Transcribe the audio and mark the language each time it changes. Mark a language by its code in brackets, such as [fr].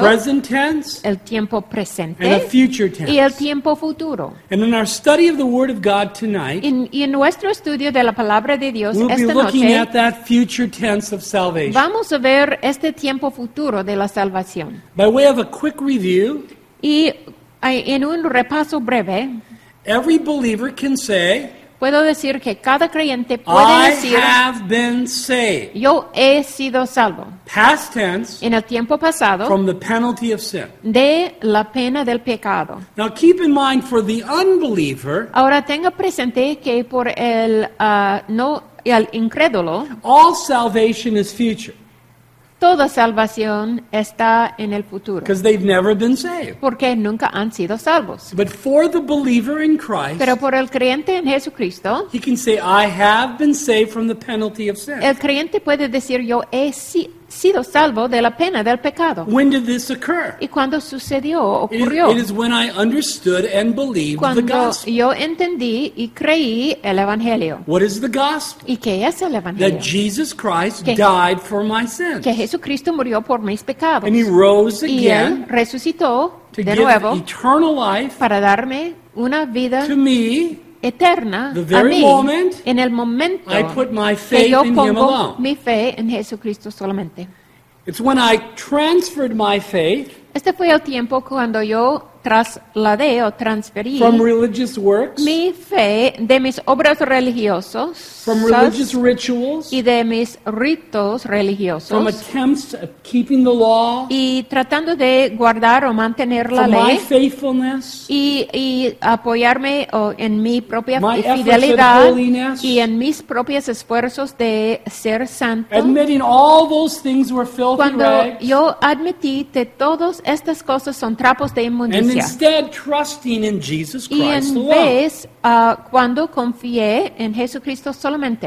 [en] a present tense, [es] el tiempo presente, [en] and a future tense. [es] Y el tiempo futuro. [en] And in our study of the Word of God tonight, [es] y en nuestro estudio de la palabra de Dios [en] we'll [es] esta [en] be looking [es] noche, [en] at that future tense of salvation. [es] Vamos a ver este tiempo futuro de la salvación. [en] By way of a quick review, [es] y en un repaso breve, [en] every believer can say, [es] puedo decir que cada creyente puede [en] I [es] decir, [en] have been saved. [es] Yo he sido salvo. [en] Past tense. [es] En el tiempo pasado. [en] From the penalty of sin. [es] De la pena del pecado. [en] Now keep in mind for the unbeliever. [es] Ahora tenga presente que por el no el incrédulo. [en] All salvation is future. [es] Toda salvación está en el futuro. [en] Because they've never been saved. [es] Porque nunca han sido salvos. [en] But for the believer in Christ, [es] pero por el creyente en Jesucristo, [en] he can say, I have been saved from the penalty of sin. [es] El creyente puede decir, yo he sido salvo de la pena del pecado. [en] When did this occur? [es] ¿Y cuándo sucedió, ocurrió? [en] It is when I understood and believed [es] cuando [en] the gospel. [es] Cuando yo entendí y creí el evangelio. [en] What is the gospel? [es] ¿Y qué es el evangelio? [en] That Jesus Christ died for my sins. [es] Que Jesucristo murió por mis pecados. [en] And he rose again. [es] Y él resucitó [en] to [es] de [en] give [es] nuevo [en] eternal life [es] para darme una vida [en] to me [es] eterna [en] the very [es] a mí [en] moment, [es] en el momento [en] I put my faith [es] que yo [en] in [es] pongo [en] him alone. [es] Mi fe en Jesucristo solamente. [en] It's when I transferred my faith [es] este fue el tiempo cuando yo trasladé o transferí [en] from religious works, [es] mi fe de mis obras religiosas [en] from religious rituals, [es] y de mis ritos religiosos [en] from attempts at keeping the law, [es] y tratando de guardar o mantener la [en] from [es] ley [en] my faithfulness, [es] y apoyarme o en mi propia [en] my [es] fidelidad [en] efforts at holiness, [es] y en mis propios esfuerzos de ser santo [en] admitting all those things were filthy [es] cuando [en] rags, [es] yo admití que todas estas cosas son trapos de inmundicia. [en] And instead, trusting in Jesus Christ [es] y en vez, cuando confié en Jesucristo solamente.